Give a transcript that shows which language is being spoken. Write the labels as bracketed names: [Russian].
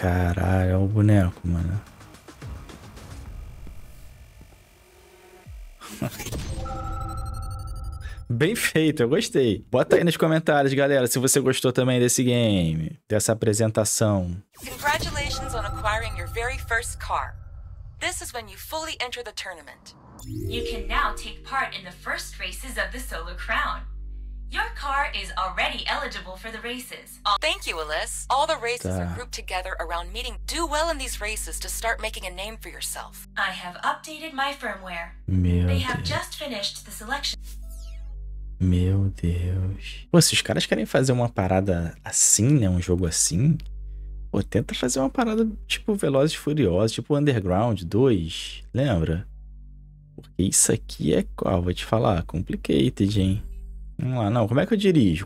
[Portuguese] Caralho, olha o boneco, mano. Bem feito, eu gostei. Bota aí nos comentários, galera, se você gostou também desse game, dessa apresentação. [English] Congratulations on acquiring your very first car. This is when you fully enter the tournament. You can now take part in the first races of the Solar Crown. Your car is already eligible for the races. Thank you, Alice. All the races are grouped together around meeting. Do well in these races to start making a name for yourself. I have updated my firmware. [Portuguese] Meu [English] They [Portuguese] Deus. [English] Have just finished the selection. [Portuguese] Meu Deus. Pô, se os caras querem fazer uma parada assim, né? Um jogo assim. Pô, tenta fazer uma parada tipo Velozes e Furiosos, tipo Underground 2. Lembra? Porque isso aqui é qual? Vou te falar. [English] Complicated, hein? [Portuguese] Vamos lá, não. Como é que eu dirijo?